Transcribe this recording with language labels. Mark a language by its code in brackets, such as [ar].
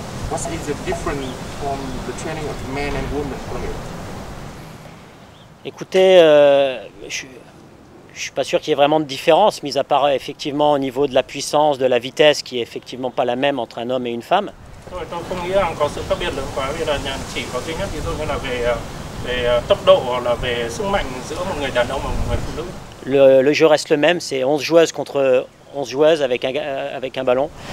[en] What is the difference from the training of men and women players? [fr] Écoutez, je suis pas sûr qu'il y ait vraiment de différence, mis à part effectivement au niveau de la puissance, de la vitesse, qui est effectivement pas la même entre un homme et une femme. [vi] Tôi không nghĩ rằng có sự khác biệt lớn quá, vì là chỉ có duy nhất ví dụ như là về tốc độ hoặc là về sức mạnh giữa một người đàn ông và một người phụ nữ. [fr] Le jeu reste le même, c'est 11 joueuses contre 11 joueuses avec un ballon.